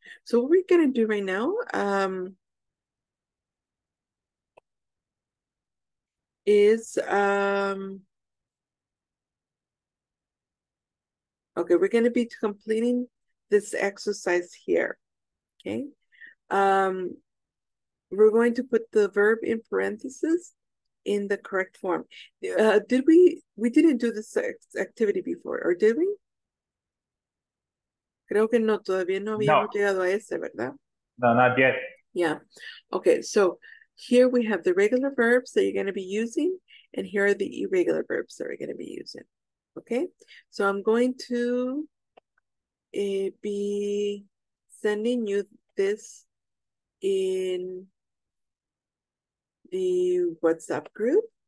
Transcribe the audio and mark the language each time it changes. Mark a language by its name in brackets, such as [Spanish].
[English] So what we're going to do right now we're going to be completing this exercise here, okay? We're going to put the verb in parentheses in the correct form. We didn't do this activity before, or did we? [Spanish] Creo que no, todavía no habíamos llegado a ese, ¿verdad? [English] No, not yet. Yeah. Okay, so here we have the regular verbs that you're going to be using, and here are the irregular verbs that we're going to be using. Okay, so I'm going to be sending you this in the WhatsApp group.